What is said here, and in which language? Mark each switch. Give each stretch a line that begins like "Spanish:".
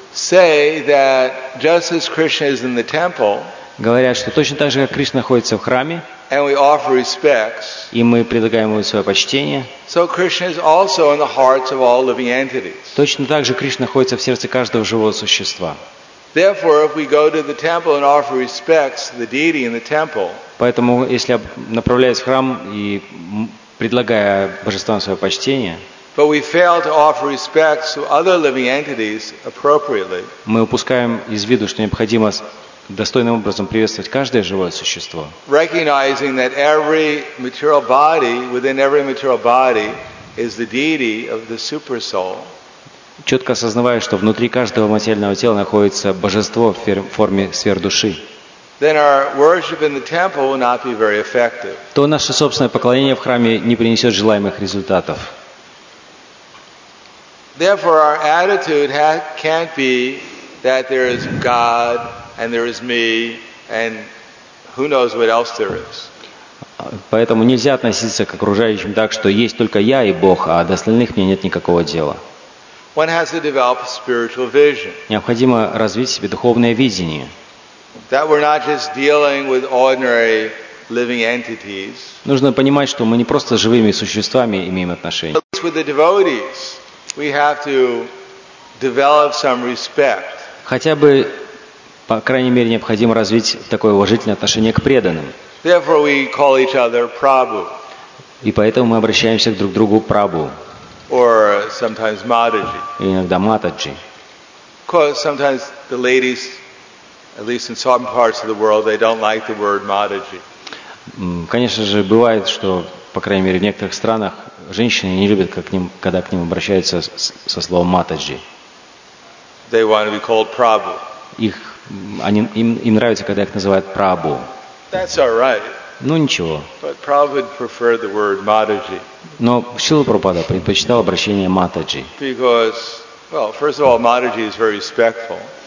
English: Say that just as Krishna is in the temple.
Russian: Говорят, что точно так же, как Кришна находится в храме,
English: and we offer respects,
Russian: и мы предлагаем ему свое почтение,
English: so Krishna is also in the hearts of all living entities.
Russian: Точно так же Кришна находится в сердце каждого живого существа.
English: Therefore, if we go to the temple and offer respects to the deity in the temple,
Russian: поэтому если направляясь в храм и предлагая божествам свое почтение,
English: but we fail to offer respects to other living entities appropriately.
Russian: Мы упускаем из виду, что необходимо достойным образом приветствовать каждое живое существо.
English: Recognizing that every material body within every material body is the deity of the super soul.
Russian: Четко осознавая, что внутри каждого материального тела находится божество в форме сверхдуши.
English: Then our worship in the temple will not be very effective.
Russian: То наше собственное поклонение в храме не принесет желаемых результатов.
English: Therefore, our attitude can't be that there is God. And there is me, and who knows what else there is.
Russian: Поэтому нельзя относиться к окружающим так, что есть только я и Бог, а до остальных мне нет никакого дела.
English: One has to develop a spiritual vision.
Russian: Необходимо развить в себе духовное видение.
English: That we're not just dealing with ordinary living entities.
Russian: Нужно понимать, что мы не просто с живыми существами имеем отношение.
English: But with the devotees, we have to develop some respect.
Russian: Хотя бы по крайней мере, необходимо развить такое уважительное отношение к преданным.
English: Therefore we call each other Prabhu.
Russian: И поэтому мы обращаемся друг к другу Прабу.
English: Or sometimes Mataji.
Russian: И иногда Матаджи.
English: Because sometimes the ladies, at least in some parts of the world, they don't like the word Mataji.
Russian: Конечно же, бывает, что, по крайней мере, в некоторых странах женщины не любят, когда к ним обращаются со словом Матаджи.
English: They want to be called Prabhu.
Russian: Им нравится, когда их называют Прабу.
English: That's all right.
Russian: Ну, ничего.
English: But Prabhupada preferred the word Mataji.
Russian: Но Шрила Прабхупада предпочитал обращение Матаджи.
English: Because, well, first of all, Mataji is very respectful.